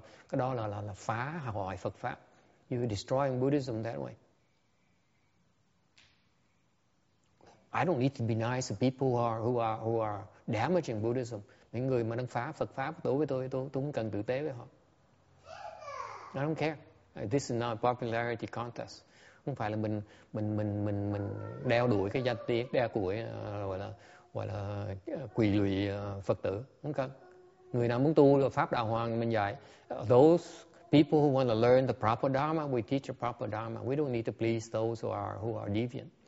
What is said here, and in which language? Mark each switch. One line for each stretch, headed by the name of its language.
Vietnamese: Cái đó là phá hoại Phật pháp.
English: You're destroying Buddhism that way. I don't need to be nice to people who are damaging Buddhism.
Vietnamese: Những người mà đang phá Phật pháp đối với tôi không cần tử tế với họ.
English: I don't care. This is not a popularity contest.
Vietnamese: Không phải là mình đeo đuổi cái danh tiếng, đeo đuổi gọi là quỳ lụy Phật tử. Không cần. Người nào muốn tu là pháp đạo hoàng mình dạy.
English: Those people who want to learn the proper dharma, we teach the proper dharma. We don't need to please those who are deviant.